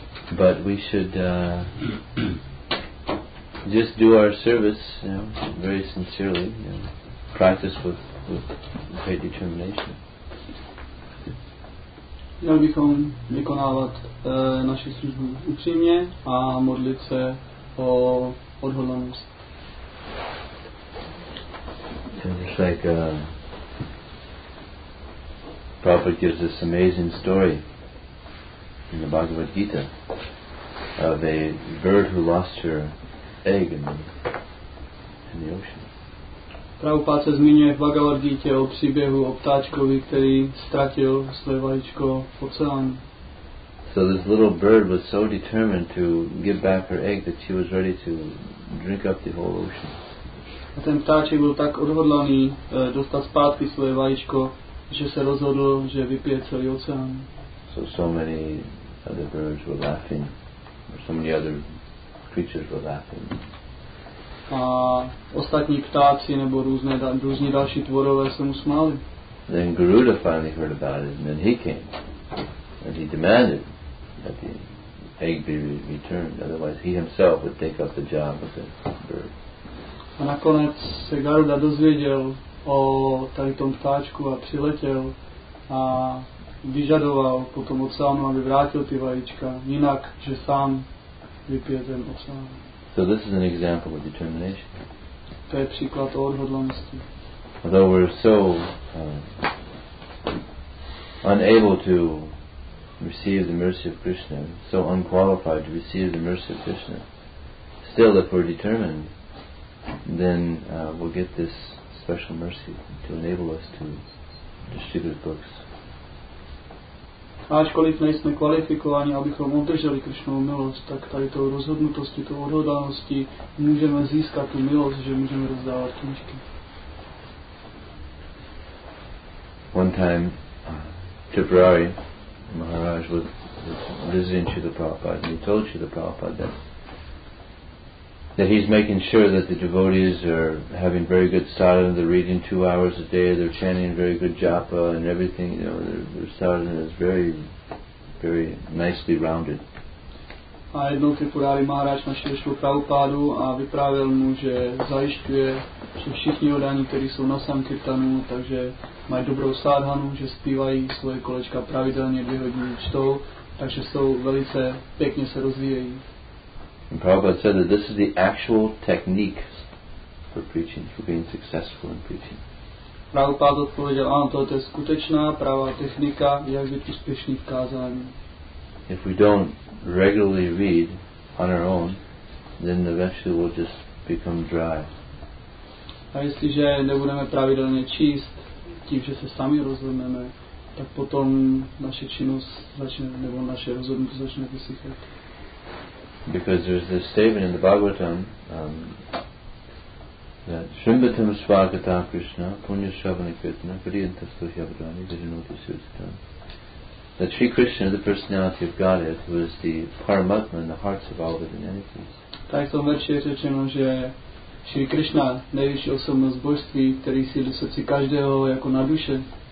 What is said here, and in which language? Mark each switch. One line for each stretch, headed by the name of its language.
English: But we should just do our service, you know, very sincerely, you know, practice with great determination.
Czech: Měl bychom vykonávat naši službu upřímně a modlit se o odhodlanost.
English: It's like Prabhupada gives this amazing story in the Bhagavad Gita of a bird who lost her egg in the ocean.
Czech: Prabhupada se zmiňuje v Bhagavad Gita o příběhu o ptáčkovi, který ztratil své vajíčko v oceánu.
English: So this little bird was so determined to give back her egg that she was ready to drink up the whole ocean.
Czech: A ten ptáček byl tak odhodlaný dostat zpátky svoje vajíčko, že se rozhodl, že vypije celý oceán.
English: So many other birds were laughing, or so many other creatures were laughing.
Czech: A ostatní ptáci nebo různí další tvorové se mu smáli.
English: Then Garuda finally heard about it, and then he came, and he demanded that the egg be returned, otherwise he himself would take up the job of the bird.
Czech: A nakonec se Garuda dozvěděl o tady tom ptáčku a přiletěl a vyžadoval potom oceánu, aby vrátil ty vajíčka, jinak, že sám vypije ten oceán.
English: So this is an example of determination.
Czech: To je příklad o odhodlanosti.
English: Although we're so unable to receive the mercy of Krishna, so unqualified to receive the mercy of Krishna, still if we're determined, then we'll get this special mercy to enable us to distribute books.
Czech: Ačkoliv nejsme kvalifikováni, abychom obdrželi Krišnovu milost, tak tady tou rozhodnutosti, tou odhodlaností můžeme získat tu milost, že můžeme rozdávat knížky.
English: One time, Tipperary Maharaj was visiting Srila Prabhupada and he told Srila Prabhupada that he's making sure that the devotees are having very good sadhana, they're reading 2 hours a day, they're chanting very good japa and everything, you know, their sadhana is very, very nicely rounded.
Czech: A jednou Tripurari Maharaj našel Šrilu Prabhupádu a vyprávěl mu, že zajišťuje, že všichni odaní, kteří jsou na sankirtanu, takže mají dobrou sadhanu, že zpívají svoje kolečka pravidelně 2 hodiny čtou, takže jsou velice pěkně se rozvíjejí.
English: And Prabhupada said that this is the actual technique for preaching, for being successful in preaching.
Czech: Prabhupada odpověděl, ano, to je skutečná pravá technika, jak být úspěšný v kázání.
English: If we don't regularly read on our own, then the vegetable will just become dry.
Czech: A jestliže nebudeme pravidelně číst, tím, že se sami rozhodneme, tak potom naše činnost začne, nebo naše rozhodnutí začne vysychat.
English: Because there's this statement in the Bhagavatam that
Sanskrit: Shrimbatam Svagata Krishna Punya Shravana Kirtana Kriyanta Suhyabhadrani Vijanuti Sivasitam,
English: that Sri Krishna, the personality of Godhead, who is the Paramatma in the hearts of all living entities.
Czech: Tak to verši je řečeno, že Sri Krishna, nejvyšší osobnost božství, který sídlí v srdci každého jako na duše.